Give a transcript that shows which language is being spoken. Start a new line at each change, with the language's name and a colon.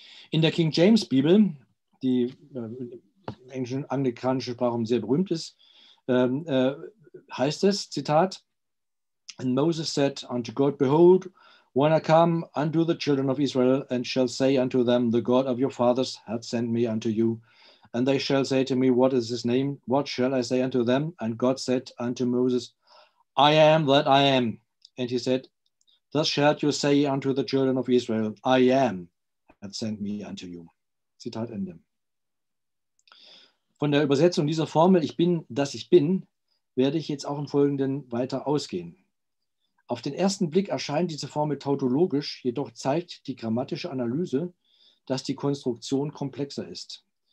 German: In der King James Bibel, die im englischen und anglikanischen Sprachraum sehr berühmt ist, heißt es, Zitat,
English: And Moses said unto God, Behold, when I come unto the children of Israel and shall say unto them, The God of your fathers hath sent me unto you. And they shall say to me, What is his name? What shall I say unto them? And God said unto Moses, I am that I am. And he said, Thus shalt you say unto the children of Israel, I am, hath sent me unto you.
German: Zitat Ende. Von der Übersetzung dieser Formel, ich bin, dass ich bin, werde ich jetzt auch im Folgenden weiter ausgehen. Auf den ersten Blick erscheint diese Formel tautologisch, jedoch zeigt die grammatische Analyse, dass die Konstruktion komplexer ist.